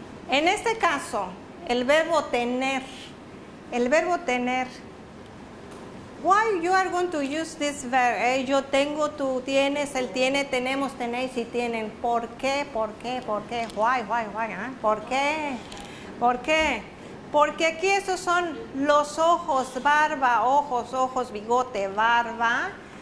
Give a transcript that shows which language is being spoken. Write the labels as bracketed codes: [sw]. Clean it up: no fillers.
[es] En este caso, el verbo tener, el verbo tener. [en] Why you are going to use this verb? [es] Yo tengo, tú tienes, él tiene, tenemos, tenéis y tienen. ¿Por qué? ¿Por qué? ¿Por qué? Why? ¿Eh? ¿Por qué? ¿Por qué? Porque aquí esos son los ojos, barba, ojos, bigote, barba.